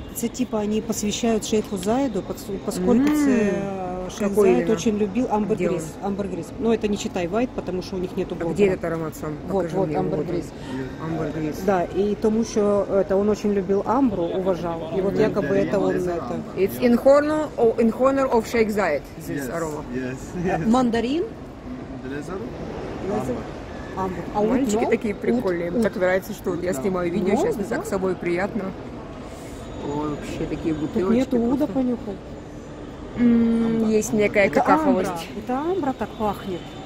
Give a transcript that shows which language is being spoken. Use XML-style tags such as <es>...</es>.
<ru>Это типа они посвящают шейху Заиду, поскольку шейх Заид очень любил амбергрис. Амбергрис. Но это не читай вайт, потому что у них нету бодра. А где этот аромат сам? Вот, амбергрис. Амбергрис. Да, и тому, что это он очень любил амбру, уважал. И вот якобы это он это.</ru> <en>It's in honor of шейх Заид, this aroma. Yes.</en> <ru>Мандарин. Амбу. Мальчики такие прикольные. Мне так нравится, что я снимаю видео, сейчас мне так с собой приятно. Вообще такие бутылочки. Нету уда понюхал. Есть некая какаховость. Это амбра так пахнет.</ru>